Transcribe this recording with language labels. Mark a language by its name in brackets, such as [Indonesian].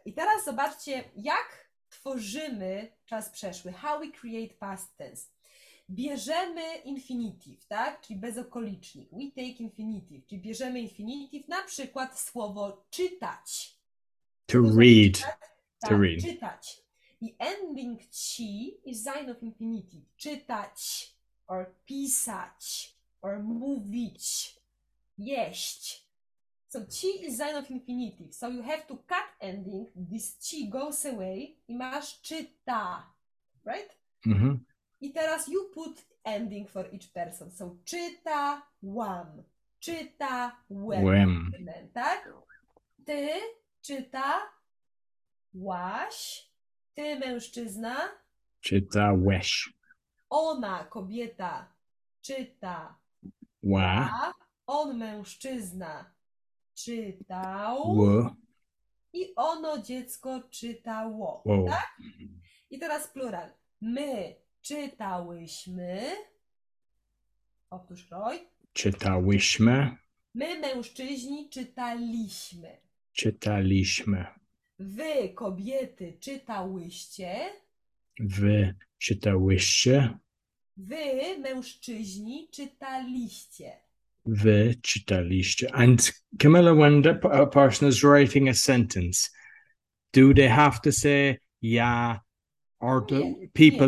[Polish] I teraz zobaczcie, jak tworzymy czas przeszły. [English] How we create past tense. [Polish] Bierzemy infinitive, tak? Czyli bezokolicznik. [English] We take infinitive. [Polish] Czyli bierzemy infinitive, na przykład słowo czytać. [English] To read. [Polish] Tak? Tak, [English] to read. [Polish] Czytać. [English] I ending ci is sign of infinitive. [Polish] Czytać, or pisać, or mówić, jeść. [English] So ci is sign of infinitive. So you have to cut ending. This ci goes away. [Polish] I masz czyta, [English] right? Mm-hmm. [Polish] I teraz [English] you put ending for each person. [Polish] So czyta wam, czyta wem. Tak? Ty czyta łaś. Ty, mężczyzna? Czyta łeś. Ona, kobieta, czyta ła. On, mężczyzna, czytał. Ło. I ono, dziecko, czytało. Ło. Tak? I teraz plural. My czytałyśmy. Otóż, Roy. Czytałyśmy. My, mężczyźni, czytaliśmy. Czytaliśmy. Wy, kobiety, czytałyście. Wy czytałyście. Wy, mężczyźni, czytaliście. Wy czytaliście. [English] And Camilla, when the person is writing a sentence, do they have to say ja, or do people